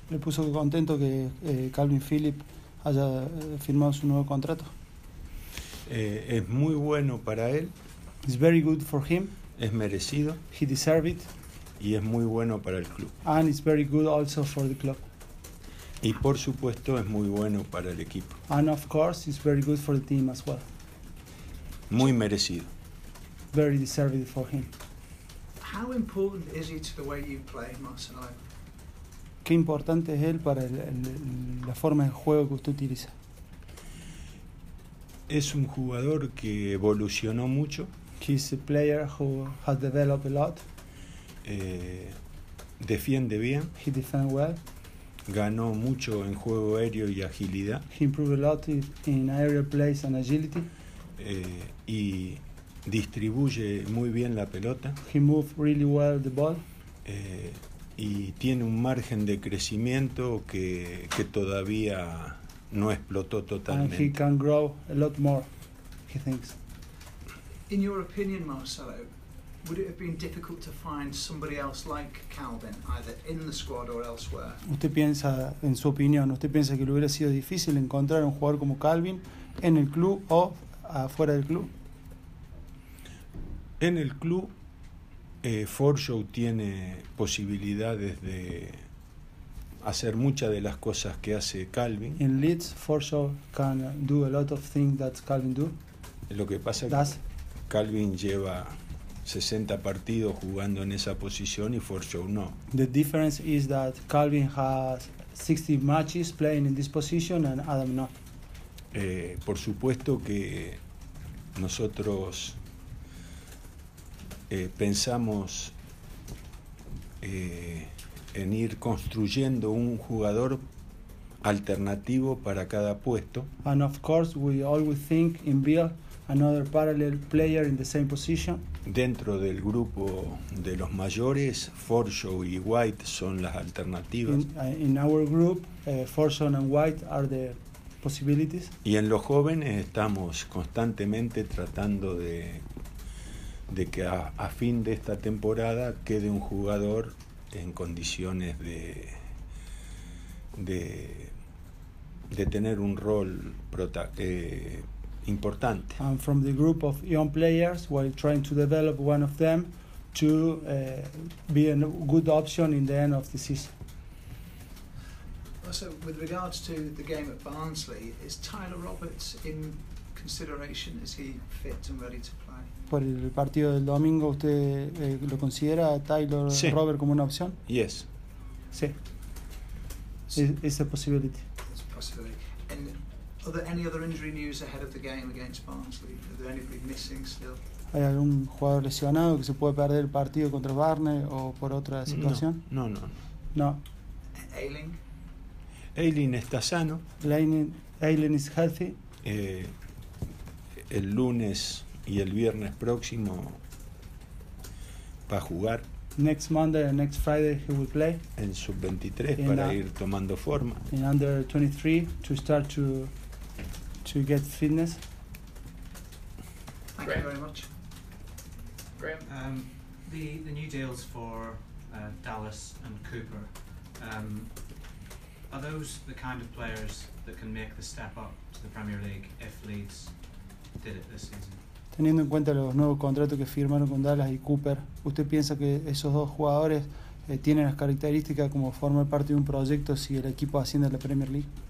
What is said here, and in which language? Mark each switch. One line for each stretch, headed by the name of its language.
Spanish: Me puso contento que Calvin Phillips haya firmado su nuevo contrato. Es muy bueno para él.
English: It's very good for him.
Spanish: Es merecido.
English: He deserves it.
Spanish: Y es muy bueno para el club.
English: And it's very good also for the club.
Spanish: Y por supuesto es muy bueno para el equipo.
English: And of course it's very good for the team as well.
Spanish: Muy merecido.
English: Very deserved for him. How important is he to the way you play, Marcelo?
Spanish: Qué importante es él para la forma de juego que usted utiliza. Es un jugador que evolucionó mucho.
English: He's a player who has developed a lot.
Spanish: Defiende bien.
English: He defends well.
Spanish: Ganó mucho en juego aéreo y agilidad.
English: He improved a lot in aerial plays and agility.
Spanish: Y distribuye muy bien la pelota.
English: He moves really well the ball.
Spanish: Y tiene un margen de crecimiento que todavía no explotó totalmente.
English: And he can grow a lot more, he thinks. In your opinion, Marcelo, would it have been difficult to find somebody else like Calvin, either in the squad or elsewhere?
Spanish: ¿Usted piensa, en su opinión, usted piensa que le hubiera sido difícil encontrar un jugador como Calvin en el club o afuera del club? En el club, Forshow tiene posibilidades de hacer muchas de las cosas que hace Calvin.
English: In Leeds, Forshow can do a lot of things that Calvin do.
Spanish: Lo que pasa es que Calvin lleva 60 partidos jugando en esa posición y Forshow no.
English: The difference is that Calvin has 60 matches playing in this position and Adam not.
Spanish: Por supuesto que nosotros pensamos en ir construyendo un jugador alternativo para cada puesto.
English: And of course we always think in build another parallel player in the same position.
Spanish: Dentro del grupo de los mayores, Forshow y White son las alternativas.
English: In our group, Forshow and White are the possibilities.
Spanish: Y en los jóvenes estamos constantemente tratando de que a fin de esta temporada quede un jugador en condiciones de tener un rol importante.
English: And from the group of young players, while trying to develop one of them to be a good option in the end of the season. So, with regards to the game at Barnsley, is Tyler Roberts in consideration? Is he fit and ready to play?
Spanish: Por el partido del domingo, usted lo considera a Tyler sí. Robert como una opción?
English: Yes. Sí. It's a possibility. It's a possibility. And are there any other injury news ahead of the game against Barnsley? Are there anybody missing still?
Spanish: ¿Hay algún jugador lesionado que se puede perder el partido contra Barnsley o por otra situación? No. Ailing? Ailing está sano.
English: Ailing is healthy.
Spanish: El lunes y el viernes próximo va a jugar.
English: Next Monday and next Friday he will play.
Spanish: En sub-23 para ir tomando forma.
English: In under-23 to start to get fitness. Thank you very much. Graham? The new deals for Dallas and Cooper, are those the kind of players that can make the step up to the Premier League if Leeds did it this season?
Spanish: Teniendo en cuenta los nuevos contratos que firmaron con Dallas y Cooper, ¿usted piensa que esos dos jugadores tienen las características como formar parte de un proyecto si el equipo asciende a la Premier League?